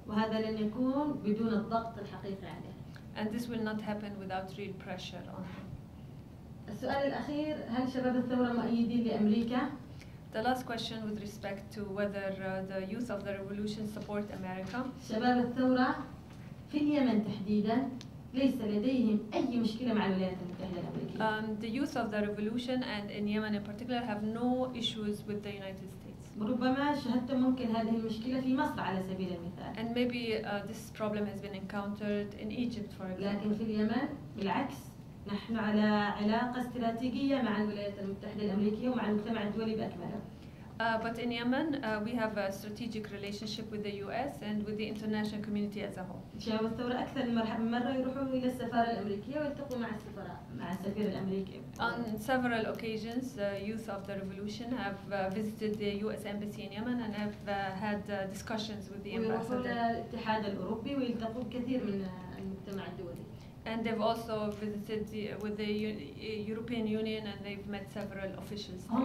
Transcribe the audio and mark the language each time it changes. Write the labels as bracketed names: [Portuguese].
[Arabic] وهذا لن يكون بدون الضغط الحقيقي عليه. [English] And this will not happen without real pressure on him. [Arabic] السؤال الأخير هل شباب الثورة مؤيدين لأمريكا؟ [English] The last question with respect to whether the youth of the revolution support America. [Arabic] شباب الثورة في اليمن تحديداً. ليس لديهم أي مشكلة مع الولايات المتحدة الأمريكية. [English] The youth of the revolution and in Yemen in particular have no issues with the United States. [Arabic] ربما شاهدت ممكن هذه المشكلة في مصر على سبيل المثال. [English] And maybe this problem has been encountered in Egypt for example. [Arabic] لكن في اليمن بالعكس نحن على علاقة استراتيجية مع الولايات المتحدة الأمريكية ومع المجتمع الدولي بأكمله. [English] But in Yemen we have a strategic relationship with the US and with the international community as a whole. [Arabic] شباب الثورة أكثر مرة يروحوا إلى السفارة الأمريكية ويلتقوا مع السفراء مع السفير الأمريكي. [English] On several occasions youth of the revolution have visited the US embassy in Yemen and have had discussions with the ambassador. [Arabic] ويروحوا للاتحاد الأوروبي ويلتقوا كثير من المجتمع الدولي. [English] And they've also visited with the European Union and they've met several officials.